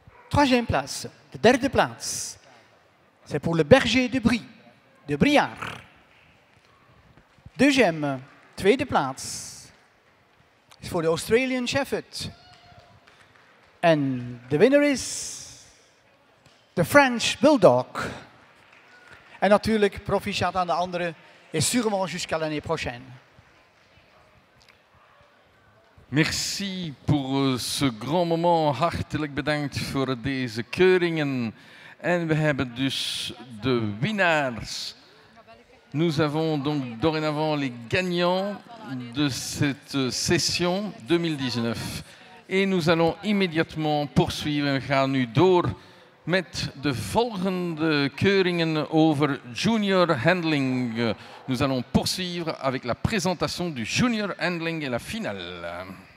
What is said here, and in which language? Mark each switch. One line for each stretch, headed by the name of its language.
French: Troisième place,
Dutch: de derde plaats.
French: C'est pour le berger de Brie, de Briard.
Dutch: Deuxième, tweede plaats.
French: C'est pour
Dutch: de Australian Shepherd. En de winnaar is de French Bulldog. En natuurlijk, proficiat aan de anderen,
French: et sûrement jusqu'à l'année prochaine. Merci pour ce grand moment.
Dutch: Hartelijk bedankt voor deze keuringen. En we hebben dus de winnaars.
French: Nous avons donc dorénavant les gagnants de cette session 2019. Et nous allons immédiatement poursuivre.
Dutch: We gaan nu door met de volgende keuringen over junior handling.
French: Nous allons poursuivre avec la présentation du junior handling et la finale.